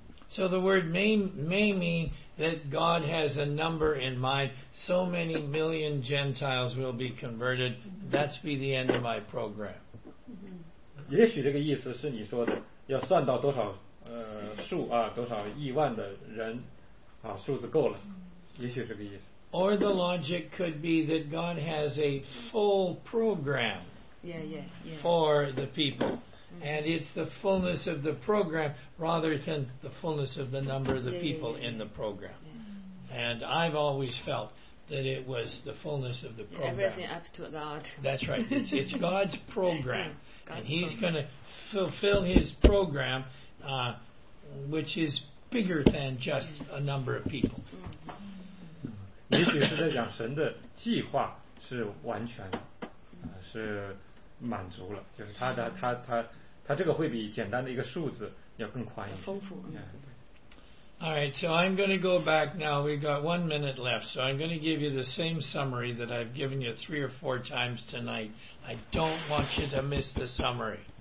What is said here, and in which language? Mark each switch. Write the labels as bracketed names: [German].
[English] So the word may mean that God has a number in mind, so many million Gentiles will be converted, that's be the end of my program. [Chinese] 也许这个意思是你说的，要算到多少数啊，多少亿万的人啊，数字够了，也许这个意思。 [English] Or the logic could be that God has a full program for the people, and it's the fullness of the program rather than the fullness of the number of the people in the program. And I've always felt that it was the fullness of the program. Everything up to God. That's right. It's God's program, and He's going to fulfill His program. Which is bigger than just a number of people. [Chinese] 也许是在讲神的计划是完全的，是满足了，就是他这个会比简单的一个数字要更宽一点，丰富。 [English] All right, so I'm going to go back now. We've got 1 minute left, so I'm going to give you the same summary that I've given you 3 or 4 times tonight. I don't want you to miss the summary.